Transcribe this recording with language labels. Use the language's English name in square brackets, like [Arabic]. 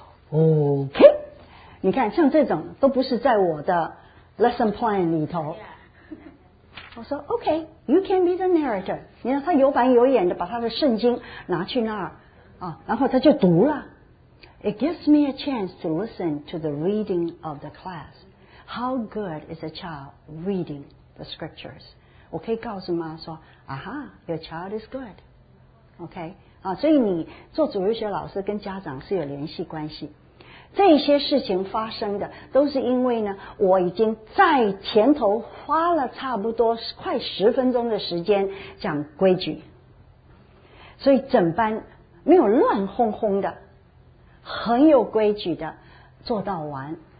[Chinese] OK， 你看像这种都不是在我的 lesson plan 里头。我说 [English] OK， You can be the narrator。 [Chinese] 你看他有板有眼的把他的圣经拿去那儿，然后他就读了。 [English] It gives me a chance to listen to the reading of the class. How good is a child reading the scriptures? [Chinese] 我可以告诉妈说， [English] Your child is good. [Chinese] OK，所以你做主日学老师跟家长是有联系关系。这些事情发生的都是因为呢，我已经在前头花了差不多快十分钟的时间讲规矩，所以整班没有乱哄哄的，很有规矩的做到完。